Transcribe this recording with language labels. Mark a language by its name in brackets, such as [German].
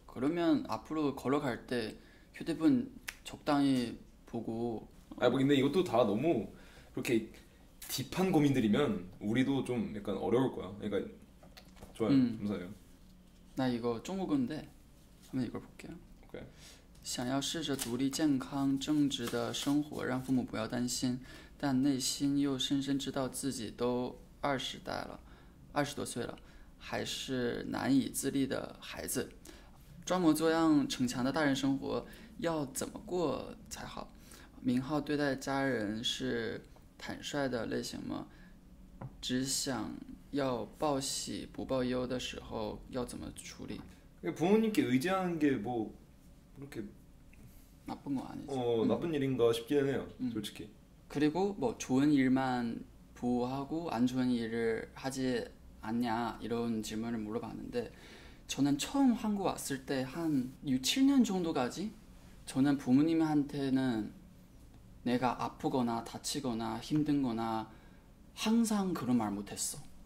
[Korean] 그러면 앞으로 걸어갈 때 휴대폰 적당히 보고. 아, 뭐 근데 이것도 다 너무 그렇게 딥한 고민들이면 우리도 좀 약간 어려울 거야. 그러니까 좋아요, 감사해요. 나 이거 중국어인데 한번 이걸 볼게요. [Chinese] 想要试着独立健康正直的生活，让父母不要担心，但内心又深深知道自己都20多岁了，还是难以自立的孩子，装模作样逞强的大人生活要怎么过才好？明浩对待家人是坦率的类型吗？只想要报喜不报忧的时候要怎么处理？ [Korean] 부모님께 의지하는 게뭐 그렇게 나쁜 거 아니지. 나쁜 일인가 싶긴 해요, 솔직히. 그리고 뭐 좋은 일만 부하고 안 좋은 일을 하지 않냐 이런 질문을 물어봤는데, 저는 처음 한국 왔을 때한 6, 7년 정도까지 저는 부모님한테는 내가 아프거나 다치거나 힘든 거나 항상 그런 말 못했어.